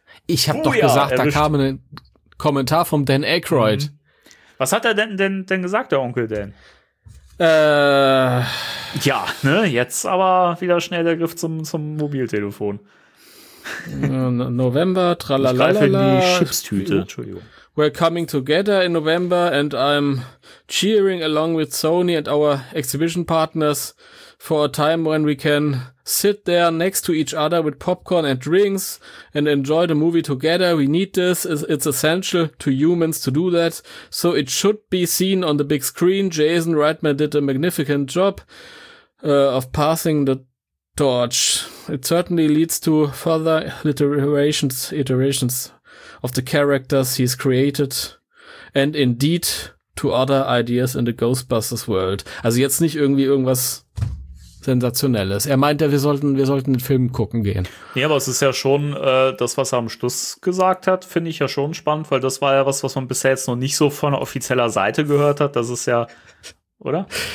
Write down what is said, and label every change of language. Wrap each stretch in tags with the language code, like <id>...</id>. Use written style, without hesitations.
<de>Ich habe doch gesagt, erwischt. Da kam ein Kommentar vom Dan Aykroyd. Was hat er denn gesagt, der Onkel Dan? Ja, ne, jetzt aber wieder schnell der Griff zum Mobiltelefon. November, tralala. Ich greife in die Chipstüte. Entschuldigung.</de> <en>We're coming together in November and I'm cheering along with Sony and our exhibition partners for a time when we can sit there next to each other with popcorn and drinks and enjoy the movie together. We need this. It's essential to humans to do that. So it should be seen on the big screen. Jason Reitman did a magnificent job of passing the torch. It certainly leads to further iterations of the characters he's created and indeed to other ideas in the Ghostbusters world.</en> <de>Also jetzt nicht irgendwie irgendwas Sensationelles. Er meinte, wir sollten den Film gucken gehen. Ja, aber es ist ja schon das, was er am Schluss gesagt hat, finde ich ja schon spannend, weil das war ja was man bisher jetzt noch nicht so von offizieller Seite gehört hat. Das ist ja, oder?</de>